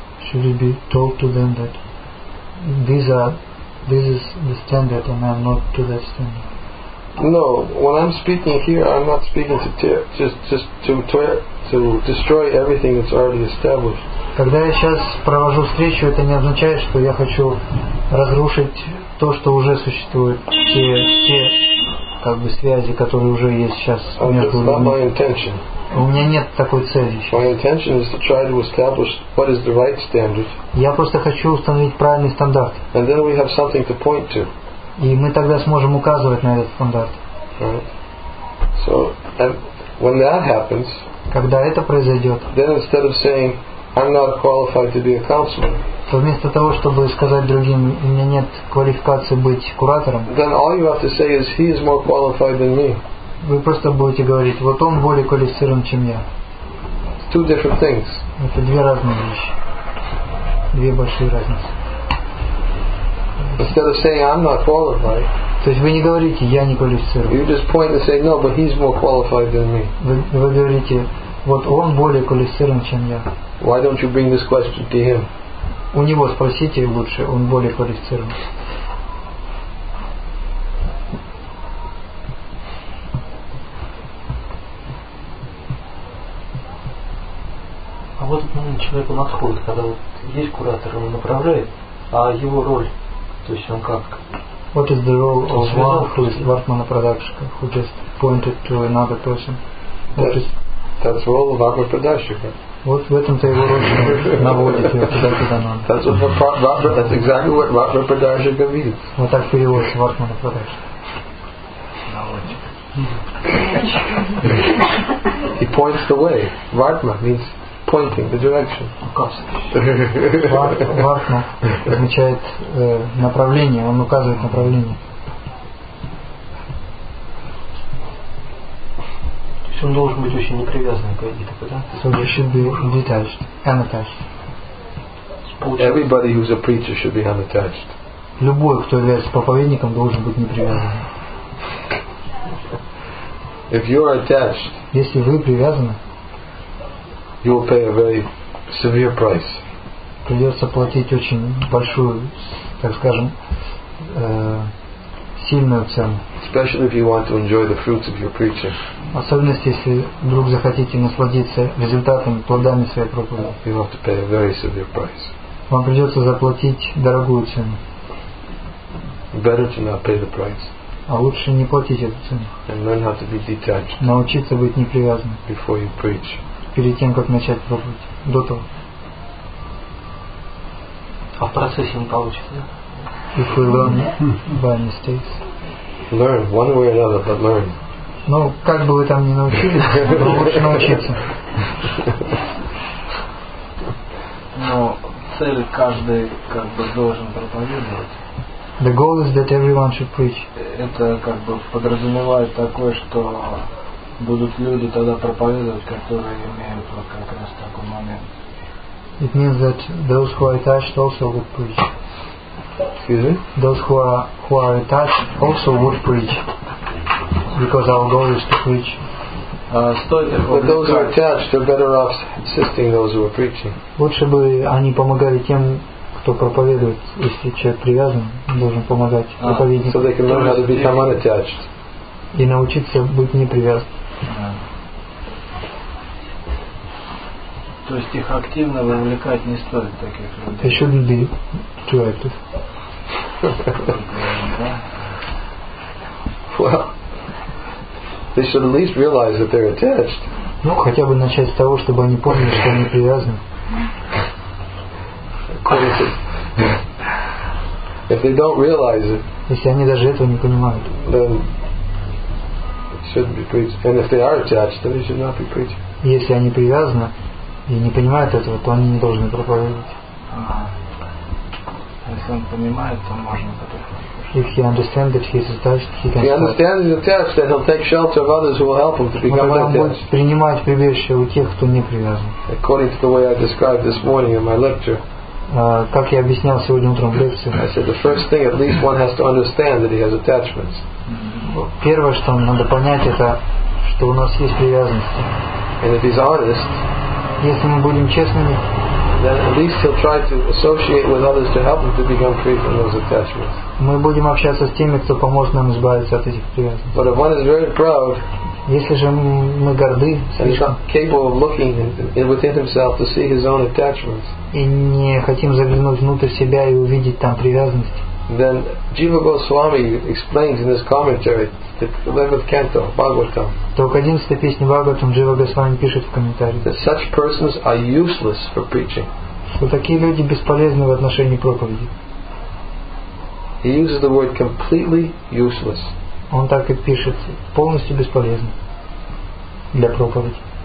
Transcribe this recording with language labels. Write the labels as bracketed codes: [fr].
[en] Should it be told to them that this is the standard and I'm not to that standard? No, when I'm speaking here, I'm not speaking to just to destroy everything that's already established. [ru] Когда я сейчас провожу встречу, это не означает, что я хочу разрушить то, что уже существует, те как бы связи, которые уже есть сейчас между людьми. [en] That's not my intention. [ru] У меня нет такой цели. [en] My intention is to try to establish what is the right standard. [ru] Я просто хочу установить правильный стандарт. [en] And then we have something to point to. [ru] И мы тогда сможем указывать на этот стандарт. [en] Right. So, and when that happens, [ru] когда это произойдет, [en] then instead of saying I'm not qualified to be a counselor, [ru] то вместо того, чтобы сказать другим, у меня нет квалификации быть куратором, [en] then all you have to say is he is more qualified than me. [ru] Вы просто будете говорить, вот он более квалифицирован, чем я. [en] Two different things. [ru] Это две разные вещи. Две большие разницы. [en] Instead of saying I'm not qualified. [ru] То есть вы не говорите, я не квалифицирован. [en] You just point and say, no, but he's more qualified than me. [ru] Вы говорите, вот он более квалифицирован, чем я. [en] Why don't you bring this question to him? [ru] У него спросите лучше, он более квалифицирован. А вот этот момент человеку отходит, когда вот есть куратор, он направляет, а его роль, то есть он как? [en] What is the role of one who is Vartmana Pradakshika, who just pointed to another person? That's the role of Vartmana Pradakshika. [ru] Вот в этом-то его роль наводит его туда-туда надо. [en] That's exactly what Vartmana Pradakshika means. [ru] Вот так переводится Vartmana Pradakshika. А [en] He points the way. Vartma means pointing the direction. [ru] Vartma означает направление. Он указывает направление. То есть он должен быть очень непривязанный к этой такой, да? [en] So he should be detached, unattached. Everybody who's a preacher should be unattached. [ru] Любой, кто является проповедником, должен быть непривязан. [en] If you are attached, [ru] если вы привязаны, [en] you will pay a very severe price. [ru] Придется платить очень большую, так скажем, сильную цену. [en] Especially if you want to enjoy the fruits of your preaching. [ru] Особенно если вдруг захотите насладиться результатами, плодами своей проповеди. [en] You have to pay a very severe price. [ru] Вам придется заплатить дорогую цену. [en] Better to not pay the price. [ru] А лучше не платить эту цену. [en] And learn how to be detached. [ru] Научиться быть непривязанным. [en] Before you preach. [ru] Перед тем, как начать пробовать. До того. А в процессе не получится. [en] If we learn by mistakes. Learn one way or another, but learn. [ru] Ну, как бы вы там ни научились, но лучше научиться. Но цель каждый как бы должен проповедовать. [en] The goal is that everyone should preach. [ru] Это как бы подразумевает такое, что будут люди тогда проповедовать, которые имеют вот как раз такой момент. [en] It means that those who are attached also would preach. Excuse me? Those who are attached also would preach. Because our goal is to preach. But those who are attached are better off assisting those who are preaching. [ru] Лучше бы они помогали тем, кто проповедует, если человек привязан, должен помогать проповеднику. [en] So they can learn how to become unattached. [ru] И научиться быть непривязанным. То есть их активно вовлекать не стоит таких людей. [en] They shouldn't be too active. Well, they should at least realize that they're attached. [ru] Ну, хотя бы начать с того, чтобы они поняли, что они привязаны. [en] If they don't realize it, [ru] если они даже этого не понимают, [en] then shouldn't be preaching. And if they are attached, then they should not be preaching. [ru] Если они привязаны и не понимают этого, то они не должны проповедовать. Если он понимает, то можно потом. [en] If he understands that he's attached, he can. He understands he's attached, then he'll take shelter of others who will help him to become attached. [ru] Он будет принимать прибежище у тех, кто не привязан. [en] According to the way I described this morning in my lecture. [ru] Как я объяснял сегодня утром в лекции. [en] I said the first thing at least one has to understand that he has attachments. [ru] Первое, что надо понять, это что у нас есть привязанности. [en] And if he's honest, [ru] если мы будем честными, [en] then at least he'll try to associate with others to help him to become free from those attachments. [ru] Мы будем общаться с теми, кто поможет нам избавиться от этих привязанностей. [en] But if one is very proud, [ru] если же мы горды, слишком [en] capable of looking within himself to see his own attachments, [ru] и не хотим заглянуть внутрь себя и увидеть там привязанность, [en] then Jiva Goswami explains in his commentary the 11th canto Bhagavatam. [ru] То к 11-й песне Бхагаватам Джива Госвами пишет в комментарии. [en] That such persons are useless for preaching. [ru] Что такие люди бесполезны в отношении проповеди. [en] He uses the word completely useless. [ru] Он так и пишет, полностью бесполезно для проповеди.